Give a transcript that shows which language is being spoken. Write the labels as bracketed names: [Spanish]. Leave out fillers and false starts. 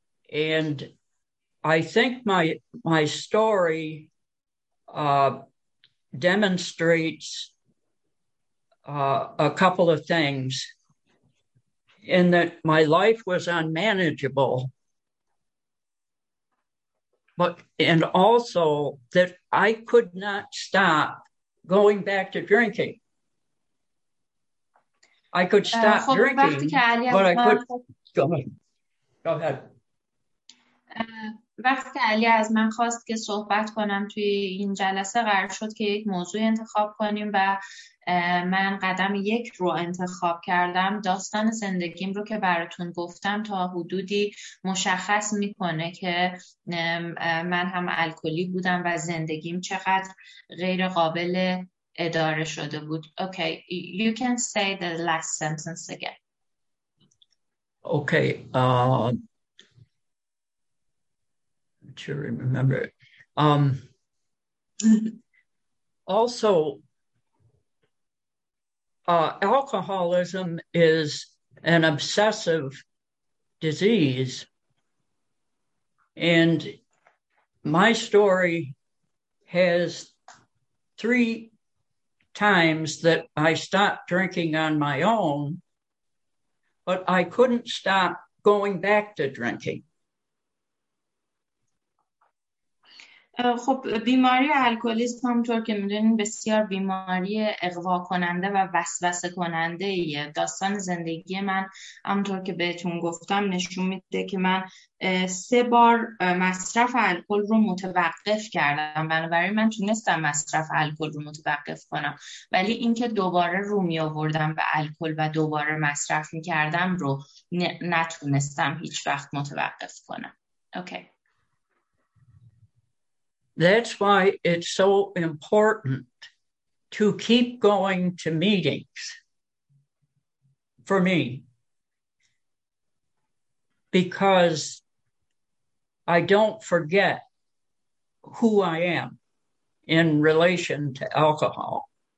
[English] And I think my story demonstrates a couple of things in that my life was unmanageable, but and also that I could not stop going back to drinking. I could stop drinking, but I could go ahead. [Persian] وقتی که علی از من خواست که صحبت کنم توی این جلسه قرار شد که یک موضوع انتخاب کنیم و من قدم یک رو انتخاب کردم داستان زندگیم رو که براتون گفتم تا حدودی مشخص میکنه که من هم الکلی بودم و زندگیم چقدر غیر قابل اداره شده بود. [English] Okay, you can say the last sentence again. Okay, to remember it. Also, alcoholism is an obsessive disease. And my story has three times that I stopped drinking on my own, but I couldn't stop going back to drinking. [Persian] خب بیماری الکلیسم همونطور که می‌دونین بسیار بیماری اغوا کننده و وسوسه کننده ایه. داستان زندگی من همونطور که بهتون گفتم نشون میده که من سه بار مصرف الکل رو متوقف کردم، بنابراین من تونستم مصرف الکل رو متوقف کنم، ولی اینکه دوباره رو می آوردم به الکل و دوباره مصرف می‌کردم رو نتونستم هیچ وقت متوقف کنم. اوکی. [English] That's why it's so important to keep going to meetings for me, because I don't forget who I am in relation to alcohol.